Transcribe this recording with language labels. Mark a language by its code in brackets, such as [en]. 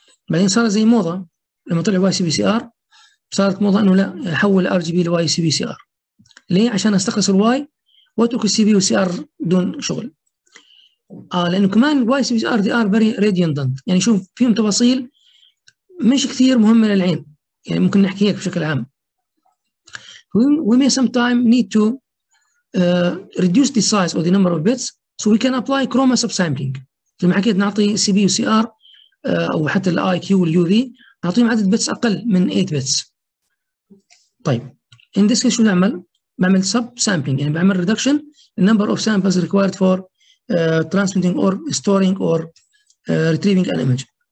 [ar] بعدين صار زي موضة لما طلع YCbCr صارت موضة انه لا احول RGB ل YCbCr. ليه؟ عشان استخلص الواي واترك السي بي والسي ار دون شغل. لانه كمان YCbCr [en] دي are very redundant, [ar] يعني شوف فيهم تفاصيل مش كثير مهمة للعين. يعني ممكن نحكي هيك بشكل عام. [en] We may sometimes need to reduce the size or the number of bits so we can apply chroma subsampling. [ar] زي ما حكيت نعطي سي بي وسي ار او حتى الاي كيو واليو في نعطيهم عدد بيتس اقل من 8 بيتس. طيب [en] in this case [ar] شو نعمل؟ بعمل [en] sub sampling [ar] يعني بعمل [en] reduction the number of samples required for transmitting or storing or retrieving an image.